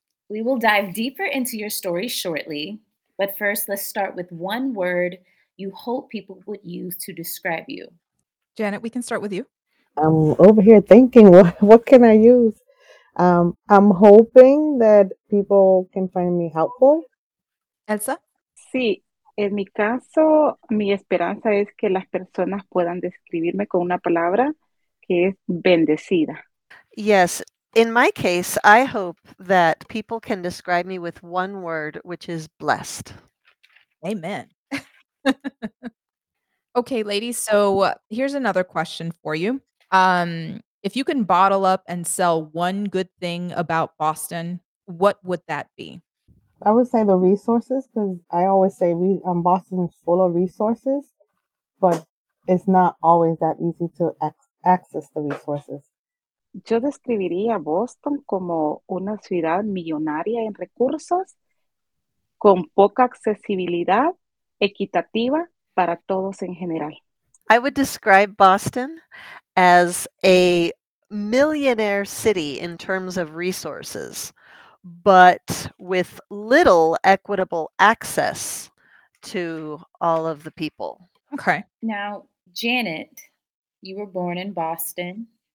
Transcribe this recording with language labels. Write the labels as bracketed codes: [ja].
[en] We will dive deeper into your story shortly. But first, let's start with one word you hope people would use to describe you. Janet, we can start with you. I'm over here thinking, what can I use? I'm hoping that people can find me helpful. Elsa? [es] Sí, en mi caso, mi esperanza es que las personas puedan describirme con una palabra que es bendecida. [en] Yes. In my case, I hope that people can describe me with one word, which is blessed. Amen. Okay, ladies, so here's another question for you. If you can bottle up and sell one good thing about Boston, what would that be? I would say the resources, because I always say Boston is full of resources, but it's not always that easy to access the resources. [es] Yo describiría Boston como una ciudad millonaria en recursos, con poca accesibilidad, equitativa para todos en general. [en] I would describe Boston as a millionaire city in terms of resources, but with little equitable access to all of the people. Okay. Now, Janet, you were born in Boston.